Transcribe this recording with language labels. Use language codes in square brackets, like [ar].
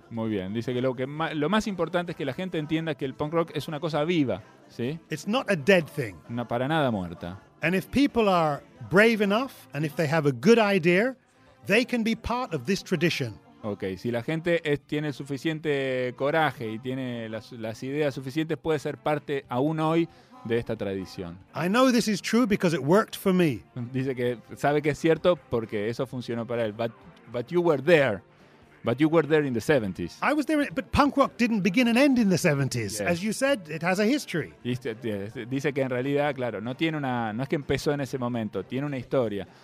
[es] Muy bien, dice que lo más importante es que la gente entienda que el punk rock es una cosa viva, ¿sí? [en] It's not a dead thing. [es] No, para nada muerta. [en] And if people are brave enough and if they have a good idea, they can be part of this tradition. [es] Okay, si la gente tiene suficiente coraje y tiene las ideas suficientes, puede ser parte aún hoy de esta tradición. [en] I know this is true because it worked for me. [es] Dice que sabe que es cierto porque eso funcionó para él. [en] But you were there. But you were there in the 70s. I was there, but punk rock didn't begin and end in the 70s. Yes. As you said, it has a history. [es] Dice que en realidad, claro, no es que empezó en ese momento, tiene una historia.